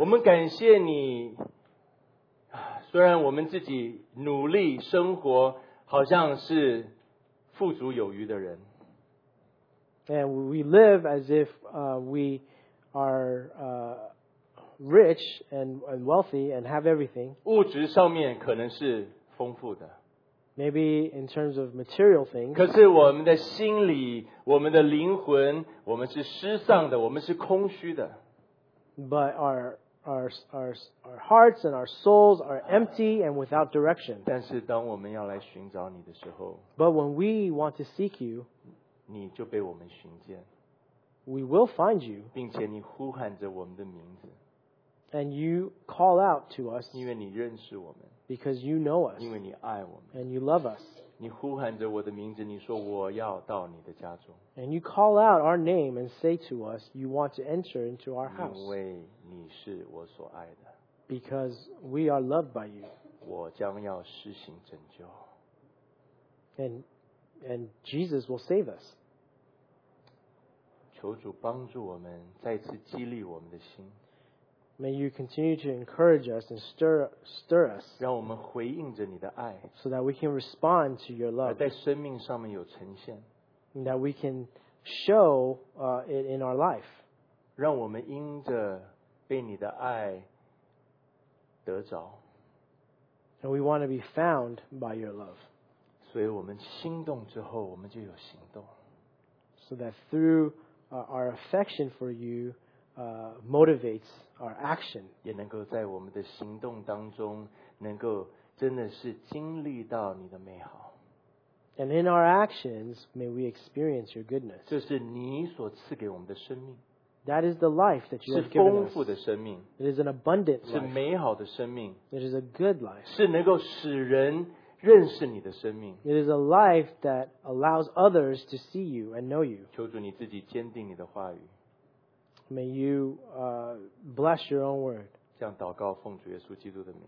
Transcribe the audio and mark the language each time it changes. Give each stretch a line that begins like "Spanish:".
Chinese: 我们感谢你，虽然我们自己努力生活好像是富足有余的人。
English: And we live as if we are rich and wealthy and have everything.
Chinese: 物质上面可能是丰富的。
English: Maybe in terms of material things.
Chinese: 可是我们的心里，我们的灵魂，我们是失丧的，我们是空虚的。
English: But our hearts and our souls are empty and without direction.
Chinese: 但是当我们要来寻找你的时候，
English: But when we want to seek you,
Chinese: 你就被我们寻见。
English: We will find you.
Chinese: 并且你呼喊着我们的名字。
English: And you call out to us.
Chinese: 因为你认识我们。
English: Because you know us.
Chinese: 因为你爱我们。
English: And you love us.
Chinese: 你呼喊着我的名字，你说我要到你的家中。
English: And you call out our name and say to us, you want to enter into our house.
Chinese: 因为你是我所爱的。
English: Because we are loved by you.
Chinese: 我将要施行拯救。
English: And Jesus will save us.
Chinese: 求主帮助我们，再次激励我们的心。
English: May you continue to encourage us and stir us.
Chinese: 让我们回应着你的爱。
English: So that we can respond to your love.
Chinese: 而在生命上面有呈现。
English: And that we can show it in our life.
Chinese: 让我们因着被你的爱得着。
English: And we want to be found by your love.
Chinese: 所以我们心动之后，我们就有行动。
English: So that through our affection for you motivates our action.
Chinese: 也能够在我们的行动当中，能够真的是经历到你的美好。
English: And in our actions, may we experience your goodness.
Chinese: 这是你所赐给我们的生命。
English: That is the life that you have given us.
Chinese: 是丰富的生命。
English: It is an abundant life.
Chinese: 是美好的生命。
English: It is a good life.
Chinese: 是能够使人认识你的生命。
English: It is a life that allows others to see you and know you.
Chinese: 求主你自己坚定你的话语。
English: May you bless your own word.
Chinese: 这样祷告奉主耶稣基督的名。